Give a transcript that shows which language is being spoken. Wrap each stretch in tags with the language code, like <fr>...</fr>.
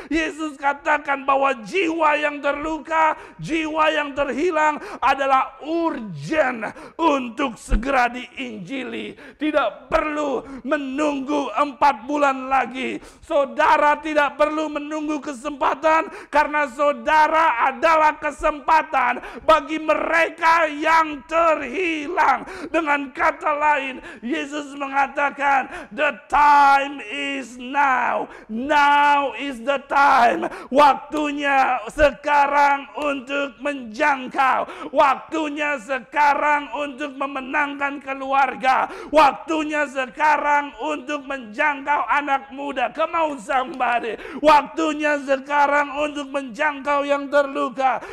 <id>Yesus katakan bahwa jiwa yang terluka, jiwa yang terhilang adalah urgen untuk segera diinjili. Tidak perlu menunggu 4 bulan lagi. Saudara tidak perlu menunggu kesempatan, karena saudara adalah kesempatan bagi mereka yang terhilang. Dengan kata lain, Yesus mengatakan,</id> <en>the time is now. Now is the time.</en> <id>Waktunya sekarang untuk menjangkau. Waktunya sekarang untuk memenangkan keluarga. Waktunya sekarang untuk menjangkau anak muda.</id> <en>Come on somebody.</en> <id>Waktunya sekarang untuk menjangkau yang terluka.</id>